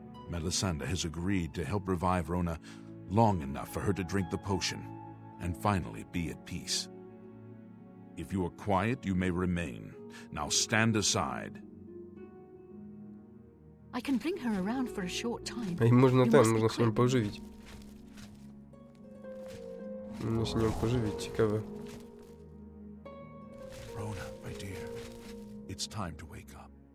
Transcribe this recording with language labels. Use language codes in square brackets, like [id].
[en] Melisandre has agreed to help revive Rona long enough for her to drink the potion. And finally, be at peace. If you are quiet, you may remain. Now stand aside. I can bring her around for a short time. [pl] Ej, można ten, można się nią pożywić. Można się nią pożywić, ciekawe. [en] Rona, my dear, it's time to wake up.